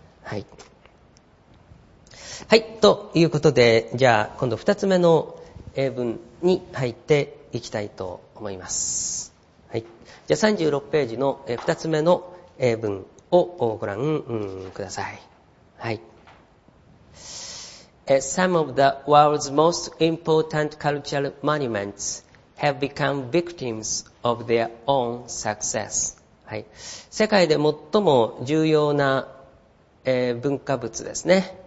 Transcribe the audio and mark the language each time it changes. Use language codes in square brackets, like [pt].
[ja] はい、はい、ということで、じゃあ今度二つ目の英文に入っていきたいと思います。はい、じゃあ36ページの二つ目の英文をご覧ください。 [en] はい、 Some of the world's most important cultural monuments have become victims of their own success。 [ja] はい、世界で最も重要な、文化物ですね。